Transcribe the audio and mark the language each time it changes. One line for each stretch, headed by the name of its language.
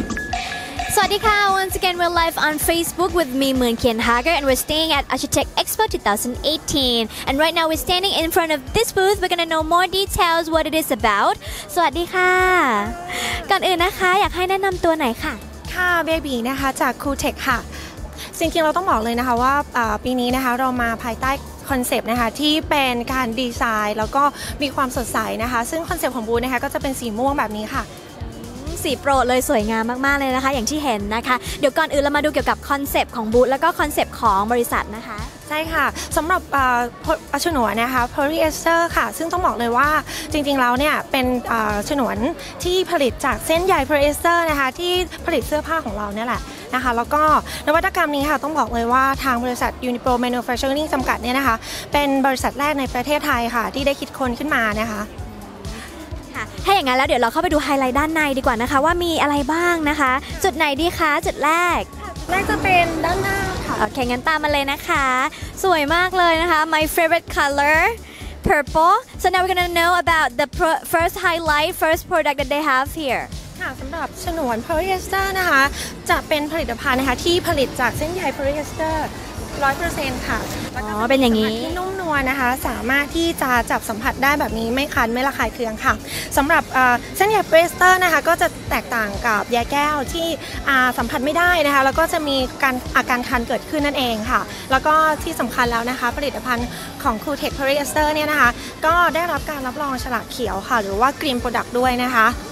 English: live on Facebook with me, Moon Kien Hager, and we're staying at Architech Expo 2018. And right now we're standing in front of this booth. We're gonna know more details what it is about.
Thai: สวัสดีค่ะก่อนอื่นนะคะอยากให้แนะนำตัวหน่อยค่ะ ค่ะเบบี้นะคะจาก Cool Tech ค่ะจริงๆเราต้องบอกเลยนะคะว่าปีนี้นะคะเรามาภายใต้คอนเซปต์นะคะที่เป็นการดีไซน์แล้วก็มีความสดใสนะคะซึ่งคอนเซปต์ของบูธนะคะก็จะเป็นสีม่วงแบบนี้ค่ะ สีโปรดเลยสวยงามมากๆเลยนะคะอย่างที่เห็นนะคะเดี๋ยวก่อนอื่นเรามาดูเกี่ยวกับคอนเซปต์ของบูธแล้วก็คอนเซปต์ของบริษัทนะคะ ใช่ค่ะสำหรับฉนวนนะคะโพลีเอสเตอร์ค่ะซึ่งต้องบอกเลยว่าจริงๆแล้วเนี่ยเป็นฉนวนที่ผลิตจากเส้นใยโพลีเอสเตอร์นะคะที่ผลิตเสื้อผ้าของเราเนี่ยแหละนะคะแล้วก็นวัตกรรมนี้ค่ะต้องบอกเลยว่าทางบริษัท Unipro Manufacturing จำกัดเนี่ยนะคะเป็นบริษัทแรกในประเทศไทยค่ะที่ได้คิดค้นขึ้นมานะคะ ถ้าอย่างนั้นแล้วเดี๋ยวเราเข้าไปดูไฮไลท์ด้านในดีกว่านะคะว่ามีอะไรบ้างนะคะจุดไหนดีคะจุดแรก แรกจะเป็นด้านหน้า โอเคงั้นตามมาเลยนะคะสวยมากเลยนะคะ
English: my favorite color purple so now we're gonna know about the first highlight first product that they have here
Thai: ค่ะสำหรับฉนวนโพลีเอสเตอร์นะคะจะเป็นผลิตภัณฑ์นะคะที่ผลิตจากเส้นใยโพลีเอสเตอร์ 100% ค่ะ อ๋อเป็นอย่าง นี้ ที่นุ่มนวลนะคะสามารถที่จะจับสัมผัสได้แบบนี้ไม่คันไม่ระคายเคืองค่ะสำหรับเส้นใยโพลีเอสเตอร์นะคะก็จะแตกต่างกับใยแก้วที่สัมผัสไม่ได้นะคะแล้วก็จะมีการอาการคันเกิดขึ้นนั่นเองค่ะแล้วก็ที่สำคัญแล้วนะคะผลิตภัณฑ์ของ Cool Tech Polyester เนี่ยนะคะก็ได้รับการรับรองฉลากเขียวค่ะหรือว่า Green Product ด้วยนะคะ